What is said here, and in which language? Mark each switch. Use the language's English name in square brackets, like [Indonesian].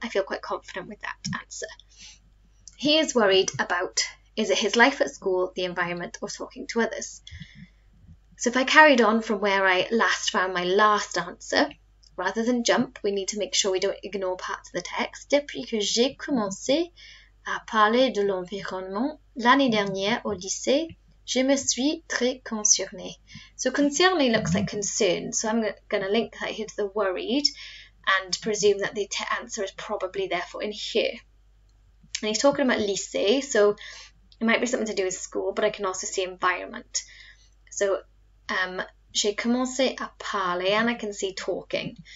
[English] I feel quite confident with that answer. He is worried about, is it his life at school, the environment, or talking to others? So if I carried on from where I last found my last answer, rather than jump, we need to make sure we don't ignore parts of the text. [French] Depuis que j'ai commencé à parler de l'environnement l'année dernière au lycée, je me suis très concerné. [English] So concerné looks like concern. So I'm going to link that here to the worried and presume that the answer is probably therefore in here. And he's talking about lycée, so it might be something to do with school, but I can also see environment. So, [French] j'ai commencé à parler, [English] and I can see talking.